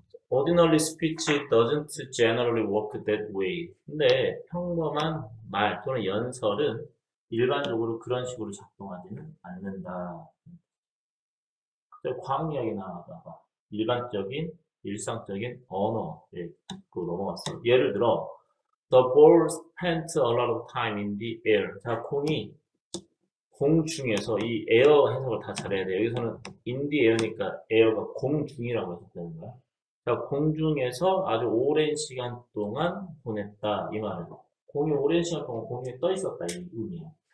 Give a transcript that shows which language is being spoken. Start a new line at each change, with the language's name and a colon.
English: Ordinary speech doesn't generally work that way.
Korean: 근데 평범한 말 또는 연설은 일반적으로 그런 식으로 작동하지는 않는다. 과학 이야기 나와봐. 일반적인, 일상적인 언어에 넘어갔어. 예를 들어,
English: The ball spent a lot of time in the air.
Korean: 자, 공이, 공 중에서 이 에어 해석을 다 잘해야 돼. 여기서는
English: in the air
Korean: 니까 에어가 공 중이라고 해석되는 거야. 자, 공 중에서 아주 오랜 시간 동안 보냈다. 이 말은 공이 오랜 시간 동안 공 위에 떠 있었다. 이 의미야.